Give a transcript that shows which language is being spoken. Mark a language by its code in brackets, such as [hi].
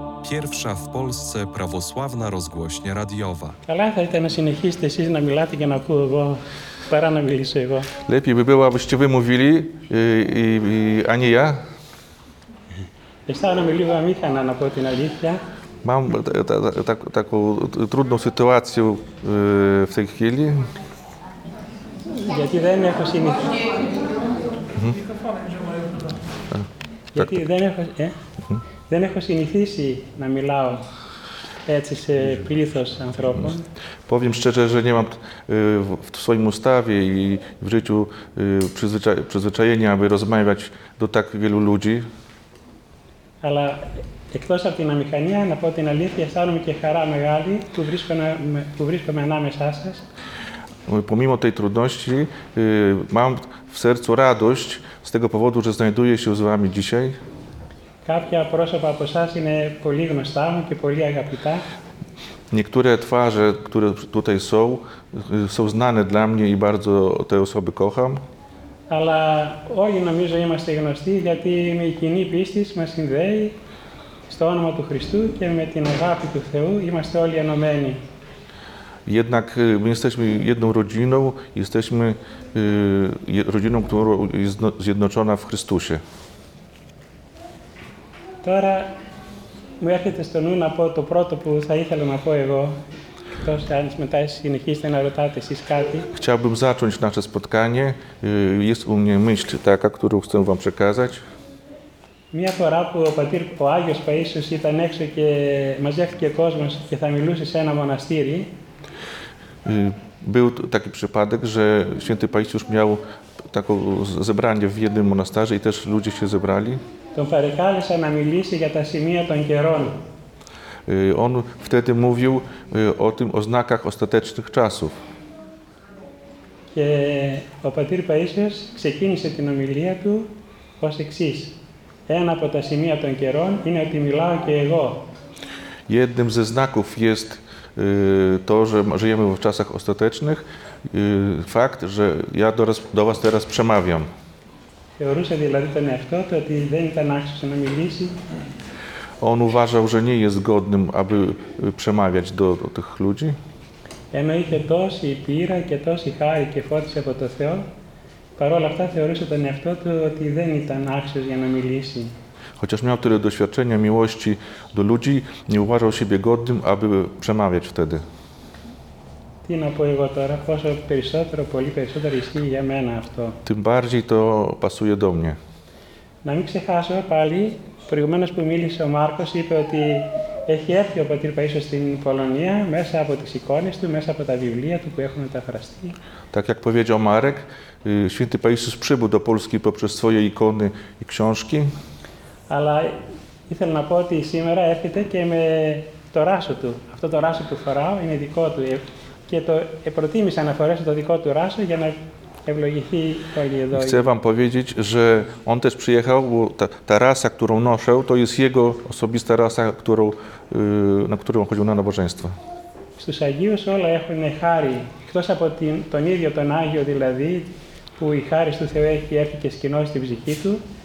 [pl] Pierwsza w Polsce prawosławna rozgłośnia radiowa. [el] Καλά θα ήταν να συνεχίσετε εσείς να μιλάτε και να ακούω εγώ, παρά να μιλήσω εγώ. [pl] Lepiej by było, abyście wy mówili, a nie ja. [el] Αισθάνομαι λίγο αμήχανα, να πω την αλήθεια. [pl] Mam taką trudną sytuację w tej chwili. [el] Γιατί δεν έχω συνηθίσει. Γιατί δεν έχω συνηθίσει να μιλάω έτσι σε πλήθος ανθρώπων. [pl] Powiem szczerze, że nie mam w swoim ustawie i w życiu przyzwyczajenia, aby rozmawiać do tak wielu ludzi. [el] Αλλά εκτός από την αμηχανία, να πω την αλήθεια, αισθάνομαι και χαρά μεγάλη που βρίσκομαι ανάμεσά σας. [pl] Pomimo tej trudności, mam w sercu radość z tego powodu, że znajduję się z wami dzisiaj. [el] Κάποια πρόσωπα από εσάς είναι πολύ γνωστά μου και πολύ αγαπητά. [pl] Niektóre twarze, które tutaj są, są znane dla mnie i bardzo te osoby kocham. [el] Αλλά όλοι νομίζω είμαστε γνωστοί, γιατί με η κοινή πίστη μας συνδέει στο όνομα του Χριστού και με την αγάπη του Θεού είμαστε όλοι ενωμένοι. [pl] Jednak my jesteśmy jedną rodziną, jesteśmy rodziną, która jest zjednoczona w Chrystusie. [el] Τώρα μου έρχεται στο νου να πω το πρώτο που θα ήθελα να πω εγώ, εκτός αν μετά συνεχίσετε να ρωτάτε εσείς κάτι. [pl] Chciałbym zacząć nasze spotkanie. Jest u mnie myśl taka, którą chcę wam przekazać. [el] Μια φορά που ο πατήρ, ο Άγιος Παΐσιος ήταν έξω και μαζεύτηκε κόσμος και θα μιλούσε σε ένα μοναστήρι. [pl] Był taki przypadek, że Święty Paisiusz miał taką zebranie w jednym monasterze i też ludzie się zebrali. [el] Τον παρακάλεσα να μιλήσει για τα σημεία των καιρών. [pl] On wtedy mówił o tym, o znakach ostatecznych czasów. [el] Και ο πατήρ Παΐσιος ξεκίνησε την ομιλία του ως εξής. Ένα από τα σημεία των καιρών είναι ότι μιλάω και εγώ. [pl] Jednym ze znaków jest to, że żyjemy w czasach ostatecznych, fakt, że ja do was teraz przemawiam. [el] Θεωρούσε δηλαδή τον εαυτό του ότι δεν ήταν άξιος να μιλήσει. [pl] On uważał, że nie jest godnym, aby przemawiać do tych ludzi. [el] Ενώ είχε τόση πείρα και τόση χάρη και φώτιση από το Θεό, παρόλα αυτά θεωρούσε τον εαυτό του ότι δεν ήταν άξιος για να μιλήσει. [pl] Chociaż miał tyle doświadczenia, miłości do ludzi, nie uważał siebie godnym, aby przemawiać wtedy. [el] Τι να πω εγώ τώρα, πόσο περισσότερο, πολύ περισσότερο ισχύει για μένα αυτό. [pl] Tym bardziej to pasuje do mnie. [el] Να μην ξεχάσω πάλι, προηγουμένως που μίλησε ο Μάρκος, είπε ότι έχει έρθει ο πατήρ Παΐσιος στην Πολωνία μέσα από τις εικόνες του, μέσα από τα βιβλία του που έχουν μεταφραστεί. [pl] Tak jak powiedział Marek, Święty Paisiusz przybył do Polski poprzez swoje ikony i książki. [el] Αλλά ήθελα να πω ότι σήμερα έρχεται και με το ράσο του. Αυτό το ράσο που φοράω είναι δικό του. Και το προτίμησα να φορέσω το δικό του ράσο για να ευλογηθεί όλοι εδώ. [pl] Chcę wam powiedzieć, że on też przyjechał, bo ta rasa, którą noszę, to jest jego osobista rasa, na którą chodził na nabożeństwo. [el] Στους Αγίους όλα έχουν χάρη, εκτός από τον ίδιο τον Άγιο δηλαδή, που η χάρη του Θεού έχει έρθει και σκηνώσει την ψυχή του.